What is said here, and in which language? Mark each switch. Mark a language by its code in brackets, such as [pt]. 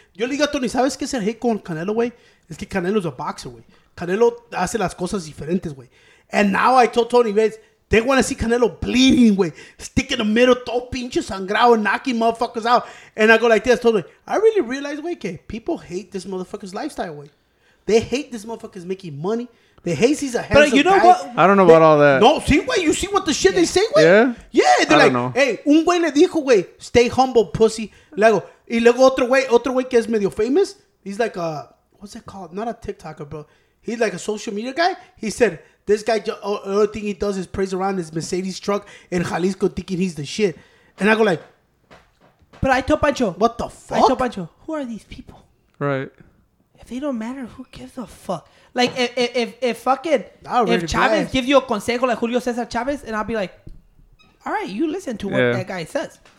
[es] Yo le digo a Tony, ¿sabes qué es el hate con Canelo, way? Es que [en] Canelo's a boxer, [es] way. Canelo hace las cosas diferentes, way. [en] And now I told Tony, [es] ves, [en] they want to see Canelo bleeding, way. Stick in the middle, [es] todo pinche sangrado, [en] knocking motherfuckers out. And I go like this, Tony. I really realize, way, que people hate this motherfucker's lifestyle, way. They hate this motherfucker's making money. The Hayes is a handsome guy. But you know guy. What? I don't know about all that. No, see, wait. You see what the shit they say, wait? Yeah? Yeah. They're I like, don't know. Hey, [es] un güey le dijo, güey, [en] stay humble, pussy. [es] Luego, y luego otro güey que es medio famous. [en] He's like a, what's that called? Not a TikToker, bro. He's like a social media guy. He said, this guy, the only thing he does is praise around his Mercedes truck in Jalisco thinking he's the shit. And I go like, but I told Pancho. What the fuck? I told Pancho, who are these people? Right. If they don't matter, who gives a fuck? Like, if fucking, if Chavez gives you a consejo like Julio Cesar Chavez, and I'll be like, all right, you listen to what that guy says.